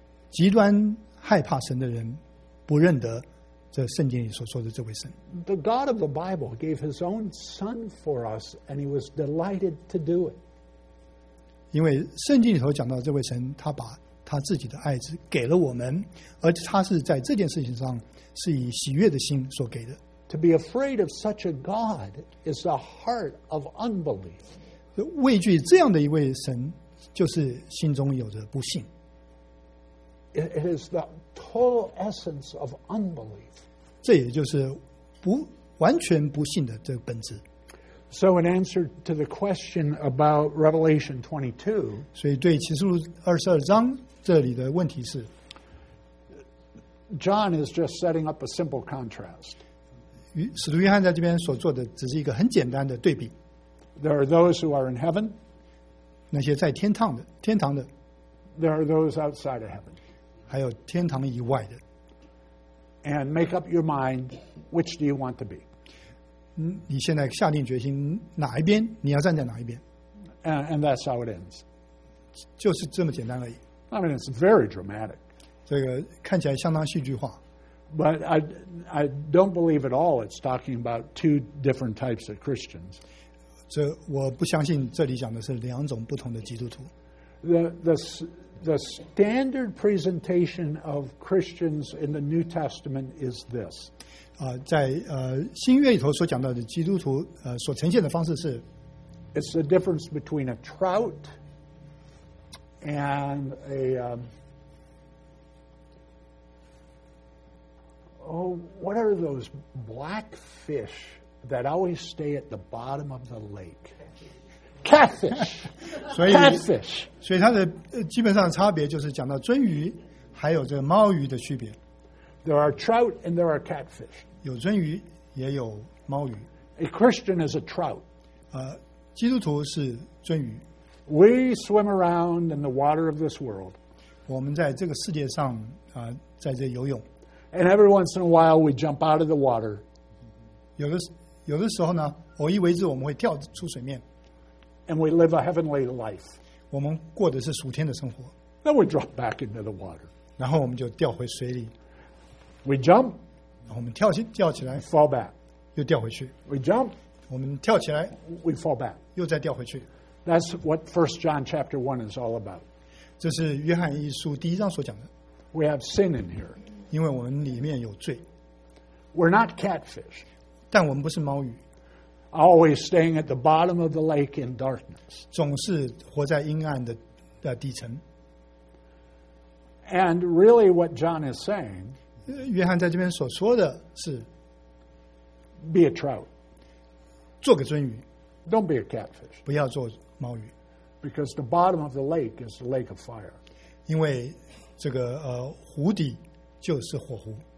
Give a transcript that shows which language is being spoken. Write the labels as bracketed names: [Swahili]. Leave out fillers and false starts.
[Chinese] 极端害怕神的人不认得这圣经里所说的这位神。 [English] The God of the Bible gave His own Son for us, and He was delighted to do it. [Chinese] 因为圣经里头讲到这位神，他把他自己的爱子给了我们，而他是在这件事情上是以喜悦的心所给的。 [English] To be afraid of such a God is a heart of unbelief. [Chinese] 畏惧这样的一位神，就是心中有着不信。 [English] It is the total essence of unbelief. [Chinese] 这也就是不完全不信的这个本质。 [English] So in answer to the question about Revelation 22, [Chinese] 所以对启示录二十二章这里的问题是 [English] ，John is just setting up a simple contrast. [Chinese] 使徒约翰在这边所做的只是一个很简单的对比。 [English] There are those who are in heaven. [Chinese] 那些在天堂的，天堂的。 [English] There are those outside of heaven. [Chinese] 还有天堂以外的。 [English] And make up your mind, which do you want to be? [Chinese] 你现在下定决心哪一边？你要站在哪一边 [English] ？And that's how it ends. [Chinese] 就是这么简单而已。 [English] I mean, it's very dramatic. [Chinese] 这个看起来相当戏剧化。 [English] But I don't believe at all it's talking about two different types of Christians. [Chinese] 这我不相信这里讲的是两种不同的基督徒。 [English] The standard presentation of Christians in the New Testament is this. [Chinese] 在新约里头所讲到的基督徒所呈现的方式是 [English] It's the difference between a trout and a what are those black fish that always stay at the bottom of the lake? Catfish. [Chinese] 所以它的基本上的差别就是讲到鳟鱼还有这鲍鱼的区别。 [English] There are trout and there are catfish. [Chinese] 有鳟鱼也有鲍鱼。 [English] A Christian is a trout. [Chinese] 基督徒是鳟鱼。 [English] We swim around in the water of this world. [Chinese] 我们在这个世界上在这游泳。 [English] And every once in a while we jump out of the water. [Chinese] 有的时候呢偶一为之我们会跳出水面。 [English] And we live a heavenly life. [Chinese] 我们过的是属天的生活。 [English] Then we drop back into the water. [Chinese] 然后我们就掉回水里。 [English] We jump. [Chinese] 然后我们跳起来。 [English] Fall back. [Chinese] 又掉回去。 [English] We jump. [Chinese] 我们跳起来。 [English] We fall back. [Chinese] 又再掉回去。 [English] That's what 1 John chapter 1 is all about. [Chinese] 这是约翰一书第一章所讲的。 [English] We have sin in here. [Chinese] 因为我们里面有罪。 [English] We're not catfish. [Chinese] 但我们不是鲍鱼。 [English] Always staying at the bottom of the lake in darkness. [Chinese] 总是活在阴暗的底层。 [English] And really what John is saying, [Chinese] 约翰在这边所说的是 [English] be a trout. [Chinese] 做个鳟鱼。 [English] Don't be a catfish. [Chinese] 不要做鲍鱼。 [English] Because the bottom of the lake is the lake of fire. [Chinese] 因为这个湖底就是火湖。